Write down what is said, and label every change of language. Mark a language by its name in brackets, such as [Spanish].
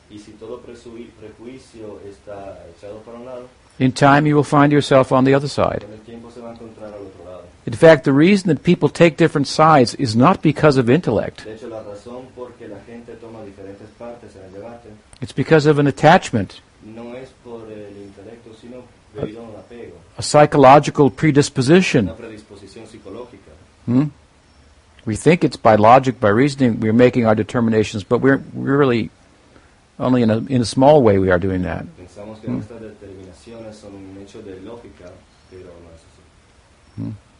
[Spanish] y si todo prejuicio está echado para un lado, [English] in time you will find yourself on the other side. [Spanish] Con el tiempo se va a encontrar al otro lado. [English] In fact, the reason that people take different sides is not because of intellect. [Spanish] De hecho, la razón porque la gente toma diferentes partes en el debate, [English] it's because of an attachment. [Spanish] No es por el intelecto, sino debido a un apego. [English] A psychological predisposition. [Spanish] Una predisposición psicológica. [English] We think it's by logic, by reasoning, we're making our determinations, but we're really only in a small way we are doing that. [Spanish] Pensamos que nuestras determinaciones son un hecho de lógica, pero no es así.